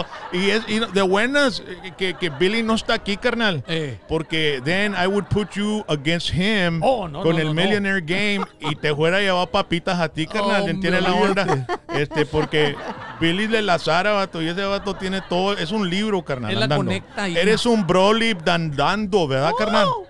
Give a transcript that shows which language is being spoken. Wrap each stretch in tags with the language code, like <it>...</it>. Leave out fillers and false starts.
<es>Y de buenas que Billy no está aquí, carnal. Porque</es> <en>then I would put you against him</en> <es>con el Millionaire Game y te fuera a llevar papitas a ti, carnal. ¿Entiendes la onda? Porque Billy de la Zara, vato, y ese vato tiene todo. Es un libro, carnal. Él la conecta ahí. Eres un Broly andando, ¿verdad, carnal?</es>